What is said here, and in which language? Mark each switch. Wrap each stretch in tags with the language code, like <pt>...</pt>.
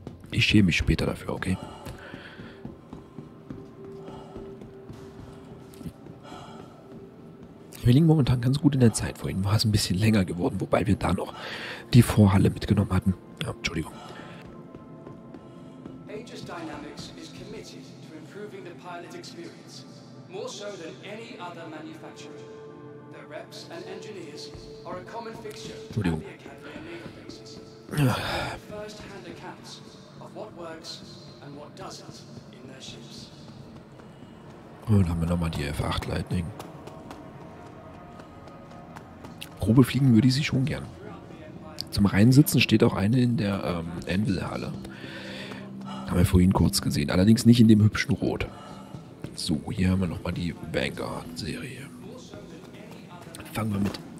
<de>Ich schäme mich später dafür, okay? Wir liegen momentan ganz gut in der Zeit. Vorhin war es ein bisschen länger geworden, wobei wir da noch die Vorhalle mitgenommen hatten. Ja, Entschuldigung.</de> <en>Aegis Dynamics is committed to improving the pilot experience, more so than any other manufacturer. Their reps and engineers are a common fixture at the academy and naval bases. First-hand accounts of what works and what doesn't in their ships.</en> <de>Und dann haben wir nochmal die F8 Lightning. Probe fliegen würde ich sie schon gern. Zum Reinsitzen steht auch eine in der Anvil-Halle. Haben wir vorhin kurz gesehen. Allerdings nicht in dem hübschen Rot. So, hier haben wir nochmal die Vanguard-Serie. Fangen wir mit.</de>